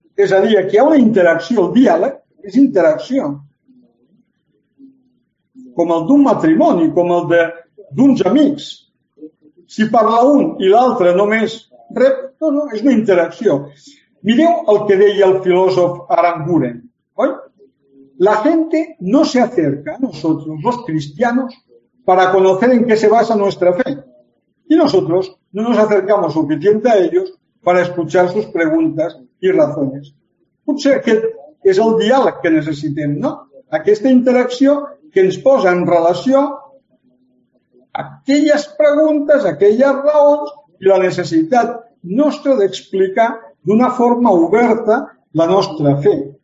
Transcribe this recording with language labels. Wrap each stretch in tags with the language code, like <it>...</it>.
<ca>És a dir, aquí hi ha una interacció, el diàleg és interacció. Com el d'un matrimoni, com el d'uns amics. Si parla un i l'altre només rep, no, és una interacció. Mireu el que deia el filòsof Aranguren. Oi?</ca> <es>La gente no se acerca a nosotros, los cristianos, para conocer en qué se basa nuestra fe. Y nosotros no nos acercamos suficiente a ellos para escuchar sus preguntas y razones.</es> <ca>Potser aquest és el diàleg que necessitem, no? Aquesta interacció que ens posa en relació aquelles preguntes, aquelles raons i la necessitat nostra d'explicar d'una forma oberta la nostra fe.</ca>